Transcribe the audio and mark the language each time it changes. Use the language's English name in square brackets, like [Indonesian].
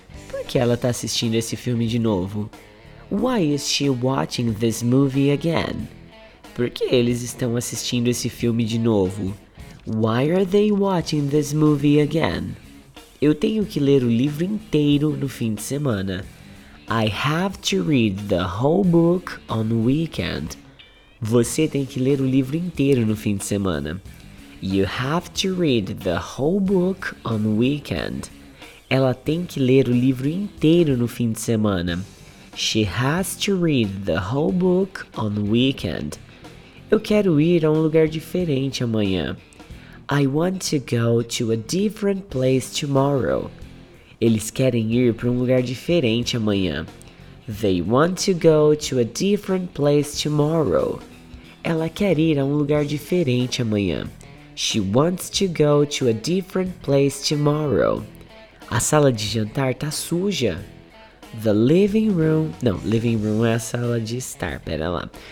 [Portuguese] Por que ela está assistindo esse filme de novo? [English] Why is she watching this movie again? [Portuguese] Por que eles estão assistindo esse filme de novo? [English] Why are they watching this movie again? [Portuguese] Eu tenho que ler o livro inteiro no fim de semana. [English] I have to read the whole book on the weekend. [Portuguese] Você tem que ler o livro inteiro no fim de semana. [English] You have to read the whole book on the weekend. [Portuguese] Ela tem que ler o livro inteiro no fim de semana. [English] She has to read the whole book on the weekend. [Portuguese] Eu quero ir a um lugar diferente amanhã. [English] I want to go to a different place tomorrow. [Portuguese] Eles querem ir para um lugar diferente amanhã. [English] They want to go to a different place tomorrow. [Portuguese] Ela quer ir a um lugar diferente amanhã. [English] She wants to go to a different place tomorrow. [Portuguese] A sala de jantar tá suja. [English] The living room... [Portuguese] Não, living room é a sala de estar, pera lá.